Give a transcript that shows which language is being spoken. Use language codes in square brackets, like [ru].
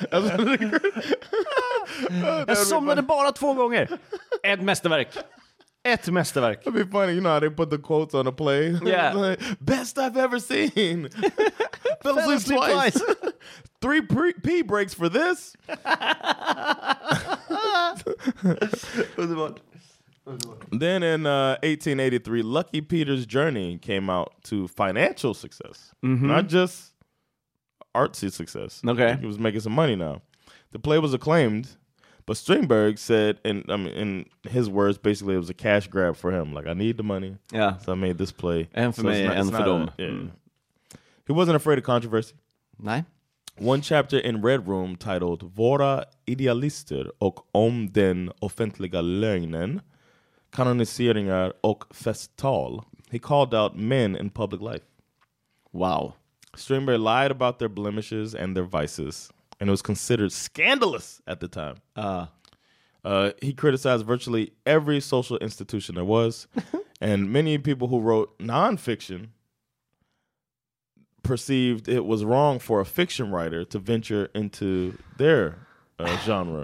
[sv] Jag somnade bara två gånger. Ett mästerverk. Ett mästerverk. [en] It'd be funny, you know how they put the quotes on a play. Yeah. Like, best I've ever seen. Fell asleep twice. 3 pee breaks for this. Then in 1883, Lucky Peter's Journey came out to financial success. Mm-hmm. Not just artsy success. Okay. He was making some money now. The play was acclaimed. But Strindberg said, in his words, basically it was a cash grab for him. Like, I need the money, yeah. So I made this play. And for me, and for them. He wasn't afraid of controversy. [sv] Nej. [en] One chapter in Red Room titled Våra idealister och om den offentliga lögnen, kanoniseringar och festtal. He called out men in public life. Wow. Strindberg lied about their blemishes and their vices. And it was considered scandalous at the time. He criticized virtually every social institution there was. And many people who wrote nonfiction perceived it was wrong for a fiction writer to venture into their genre.